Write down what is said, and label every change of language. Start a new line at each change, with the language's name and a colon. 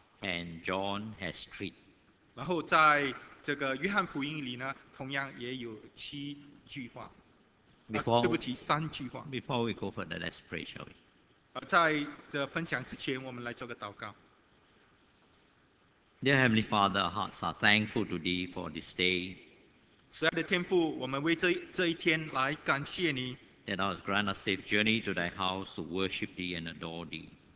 English: And John has three.
Chinese: 然后在这个约翰福音里呢，同样也有七句话。对不起，三句话。
English: Before we go further, let's pray, shall we?
Chinese: 在这分享之前，我们来做个祷告。
English: Dear Heavenly Father, our hearts are thankful to Thee for this day.
Chinese: 慈爱的天父，我们为这一天来感谢你。
English: That Thou hast granted a safe journey to Thy house to worship Thee and adore Thee.